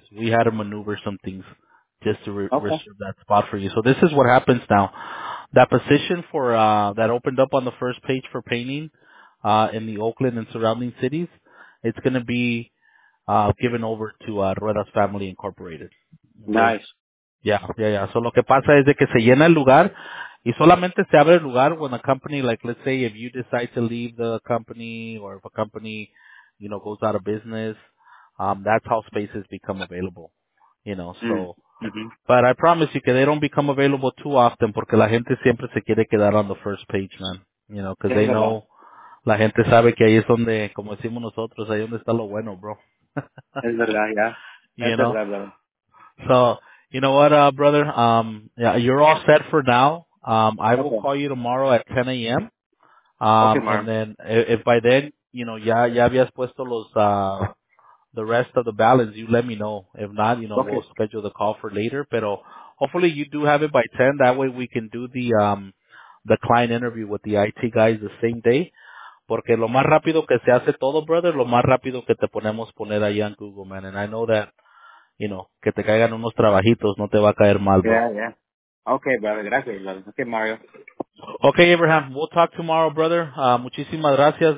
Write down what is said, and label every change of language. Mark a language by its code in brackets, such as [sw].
[en] We had to maneuver some things just to reserve that spot for you. So this is what happens now. That position for, that opened up on the first page for painting, in the Oakland and surrounding cities, it's going to be, given over to, Ruedas Family Incorporated. Nice. Yeah. [es] So lo que pasa es de que se llena el lugar. Y solamente se abre el lugar [en] when a company, like, let's say if you decide to leave the company or if a company, you know, goes out of business, that's how spaces become available, you know. So, but I promise you, they don't become available too often [es] porque la gente siempre se quiere quedar [en] on the first page, man. You know, because they know, [es] la gente sabe que ahí es donde, como decimos nosotros, ahí donde está lo bueno, bro. Es verdad, yeah. [en] You know? So, you know what, brother, yeah, you're all set for now. I will call you tomorrow at 10 a.m. And then if by then, you know, [es] ya habías puesto los, [en] the rest of the balance, you let me know. If not, you know, we'll schedule the call for later. [es] Pero [en] hopefully you do have it by 10. That way we can do the client interview with the IT guys the same day. [es] Porque lo más rápido que se hace todo, brother, lo más rápido que te ponemos poner ahí en Google, man. [en] And I know that, you know, [es] que te caigan unos trabajitos, no te va a caer mal, bro. [en] Yeah. Okay, brother. [es] Gracias. [en] Okay, Mario. Okay, Abraham. We'll talk tomorrow, brother. [es] Muchísimas gracias.